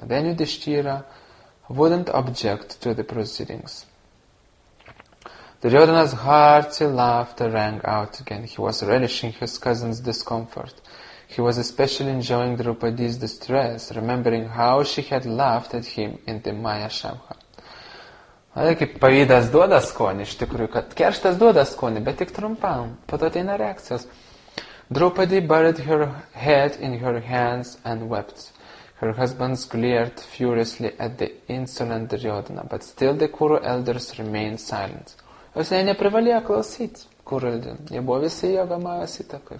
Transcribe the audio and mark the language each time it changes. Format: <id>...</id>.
<en>Then Yudhishthira wouldn't object to the proceedings. Duryodhana's hearty laughter rang out again. He was relishing his cousin's discomfort. He was especially enjoying Draupadi's distress, remembering how she had laughed at him in the Maya Shabha.</en> <lt>Tai kaip pavydas duoda skonį, iš tikrųjų, kad kerštas duoda skonį, bet tik trumpam. Po to ateina reakcijos.</lt> <en>Draupadi buried her head in her hands and wept. Her husband glared furiously at the insolent Duryodhana, but still the Kuru elders remained silent.</en> <lt>Jis neprivalėjo klausyti Kuraldi. Jie buvo visi Jogamajos įtakai.</lt>